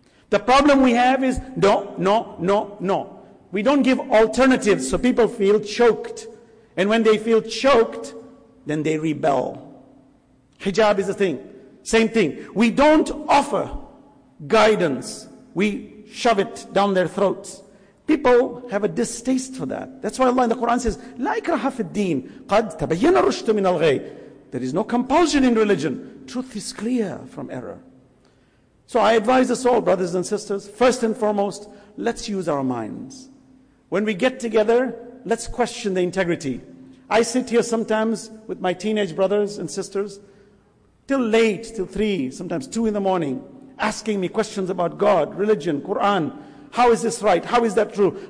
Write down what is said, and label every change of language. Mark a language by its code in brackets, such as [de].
[en] The problem we have is, no, no, no, no. We don't give alternatives, so people feel choked. And when they feel choked, then they rebel. Hijab is the thing. Same thing. We don't offer guidance. We shove it down their throats. People have a distaste for that. That's why Allah in the Quran says, [ar] لَا إِكْرَهَ فِي الدِّينِ قَدْ تَبَيَّنَ رُشْتُ مِنَ الْغَيْءِ. [en] There is no compulsion in religion. Truth is clear from error. So I advise us all, brothers and sisters, first and foremost, let's use our minds. When we get together, let's question the integrity. I sit here sometimes with my teenage brothers and sisters, till late, till 3, sometimes 2 in the morning, asking me questions about God, religion, Quran. How is this right? How is that true?